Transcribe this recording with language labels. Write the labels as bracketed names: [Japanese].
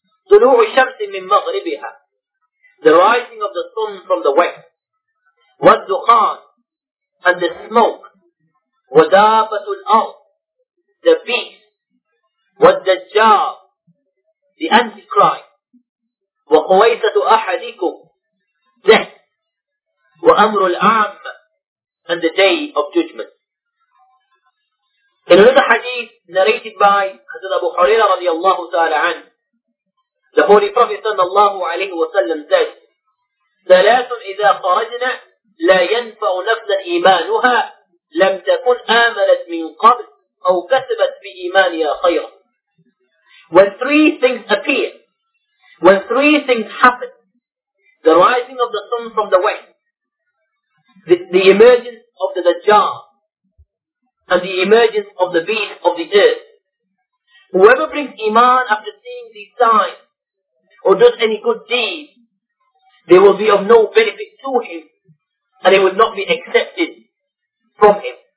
[Arabic] طلوع الشمس من مغربها, [English] the rising of the sun from the west, [Arabic] والدخان, [English] and the smoke, [Arabic] ودابة الأرض, [English] the beast, [Arabic] والدجال, [English] the antichrist, [Arabic] وقويصة أحدكم, [English] death, [Arabic] وأمر العام, [English] and the day of judgment. In another hadith narrated by Hazrat Abu Huraira [Arabic] رضي الله تعالى عنه, [English] the Holy Prophet sallallahu alayhi wa sallam says, [Arabic] ثَلَاثٌ إِذَا خَرَجْنَا لَا يَنْفَعُ نَفْسًا إِيمَانُهَا لَمْ تَكُنْ آمَنَتْ مِنْ قَبْلِ أَوْ كَسَبَتْ بِإِيمَانِهَا خَيْرًا. [English] When three things appear, when three things happen, the rising of the sun from the west, the emergence of the Dajjal, and the emergence of the beast of the earth, whoever brings Iman after seeing these signs, or does any good deed, they will be of no benefit to him, and it will not be accepted from him.